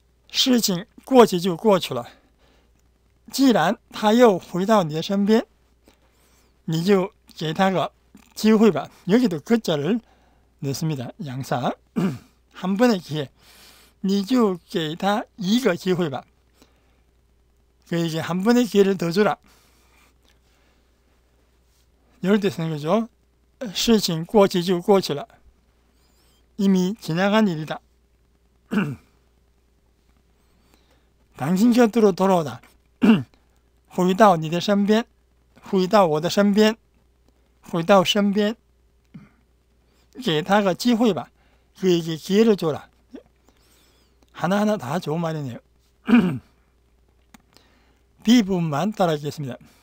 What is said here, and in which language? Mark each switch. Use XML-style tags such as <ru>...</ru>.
<zh>事情过去就过去了既然他又回到你的身边你就给他个机会吧.</zh> <ko>여기도 그자를 넣습니다. 양사. 한 번의 기회.</ko> <zh>你就给他一个机会吧.</zh> <ko>그에게 한 번의 기회를 더 주라. 이럴 때 쓰는 거죠.</ko> <zh>事情过去就过去了.</zh> <ko>이미 지나간 일이다. 당신 곁으로 돌아오다.</ko> <zh>回到你的身边回到我的身边回到身边 给他个机会吧.</zh> <ko>그에게 기회를 줘라. 하나하나 다 좋은 말이네요. B 부분만 따라하겠습니다.</ko>